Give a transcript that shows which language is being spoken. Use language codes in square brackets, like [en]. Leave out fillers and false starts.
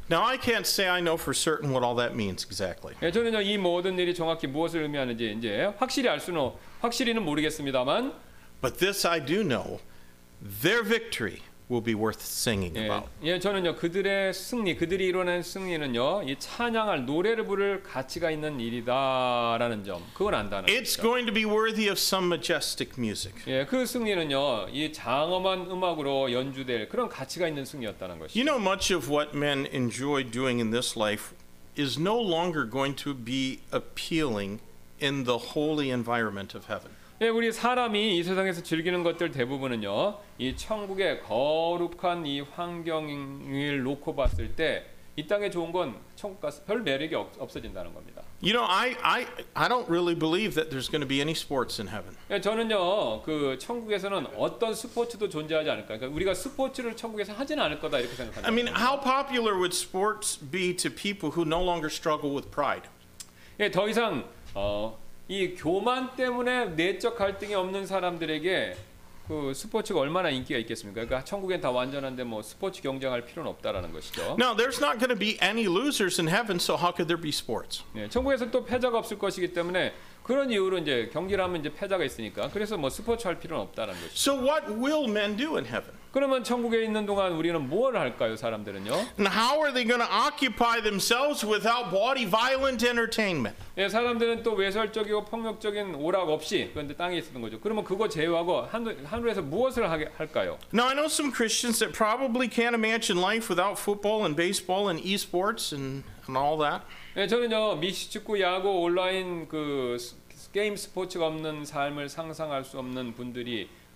[en] Now I can't say I know for certain what all that means exactly. [ko] 예, 저는 이 모든 일이 정확히 무엇을 의미하는지 이제 확실히 알 수는 확실히는 모르겠습니다만 [en] But this I do know, their victory will be worth singing about. [ko] 예, 저는요 그들의 승리, 그들이 이뤄낸 승리는요 이 찬양할 노래를 부를 가치가 있는 일이다라는 점, 그건 안다는. [en] It's going to be worthy of some majestic music. [ko] 예, 그 승리는요 이 장엄한 음악으로 연주될 그런 가치가 있는 승리였다는 것이. [en] You know, much of what men enjoy doing in this life is no longer going to be appealing in the holy environment of heaven. [ko] 예, 우리 사람이 이 세상에서 즐기는 것들 대부분은요, 이 천국의 거룩한 이 환경을 놓고 봤을 때, 이 땅에 좋은 건 천국 가서 별 매력이 없어진다는 겁니다. [en] You know, I don't really believe that there's going to be any sports in heaven. [ko] 예, 저는요, 그 천국에서는 어떤 스포츠도 존재하지 않을까. 그러니까 우리가 스포츠를 천국에서 하지는 않을 거다 이렇게 생각합니다. [en] I mean, how popular would sports be to people who no longer struggle with pride? [ko] 예, 더 이상 이 교만 때문에 내적 갈등이 없는 사람들에게 그 스포츠가 얼마나 인기가 있겠습니까? 그러니까 천국엔 다 완전한데 뭐 스포츠 경쟁할 필요는 없다라는 것이죠. [en] Now there's not going to be any losers in heaven, so how could there be sports? [ko] 네, 천국에서 또 패자가 없을 것이기 때문에 그런 이유로 이제 경기를 하면 이제 패자가 있으니까 그래서 뭐 스포츠 할 필요는 없다라는 것이죠. [en] So what will men do in heaven? [ko] 그러면 천국에 있는 동안 우리는 뭘 할까요, 사람들은요? [en] And how are they going to occupy themselves without bawdy, violent entertainment? [ko] 예, 사람들은 또 외설적이고 폭력적인 오락 없이 그런데 땅에 있었던 거죠. 그러면 그거 제외하고 하늘에서 무엇을 할까요? [en] Now I know some Christians that probably can't imagine life without football and baseball and e-sports and all that. [ko] 예, 저는요 미식축구, 야구, 온라인 그 게임 스포츠가 없는 삶을 상상할 수 없는 분들이.